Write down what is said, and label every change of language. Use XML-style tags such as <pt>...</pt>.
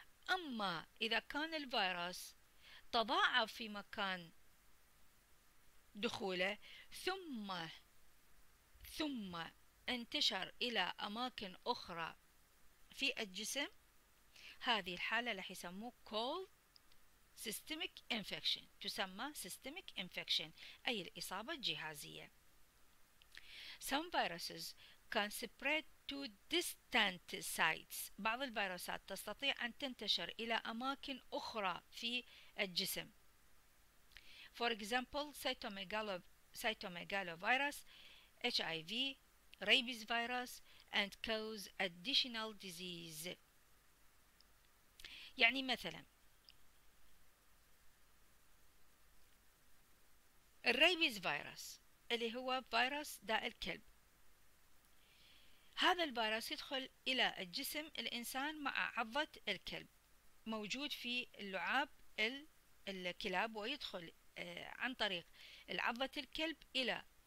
<ar>أما إذا كان الفيروس تضاعف في مكان دخوله ثم انتشر إلى أماكن أخرى في الجسم هذه الحالة راح يسموه</ar> <en>cold systemic infection،</en> <ar>تسمى</ar> <en>systemic infection</en> <ar>أي الإصابة الجهازية.</ar> <en>Some viruses can spread to distant sites.</en> <ar>بعض الفيروسات تستطيع أن تنتشر إلى أماكن أخرى في الجسم.</ar> <en>For example, cytomegalovirus, HIV, rabies virus, and cause additional disease.</en> <ar>يعني مثلاً الرابيز فيروس اللي هو فيروس داء الكلب، هذا الفيروس يدخل إلى الجسم الإنسان مع عضة الكلب موجود في اللعاب الكلاب، ويدخل عن طريق عضة الكلب إلى</ar>